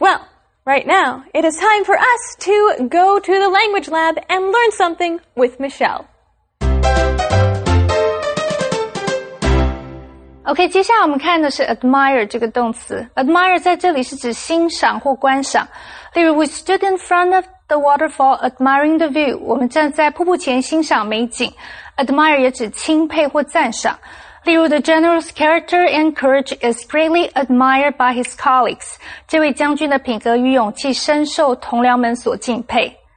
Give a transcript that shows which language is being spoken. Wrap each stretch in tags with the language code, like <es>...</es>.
<en>Well, right now it is time for us to go to the language lab and learn something with Michelle.</en> <zh>OK, 接下来我们看的是 admire 这个动词。admire 在这里是指欣赏或观赏。例如</zh> <en>we stood in front of the waterfall admiring the view.</en> <zh>我们站在瀑布前欣赏美景。 admire 也指钦佩或赞赏。例如</zh> <en>the general's character and courage is greatly admired by his colleagues.</en> <zh>这位将军的品格与勇气深受同僚们所敬佩。</zh>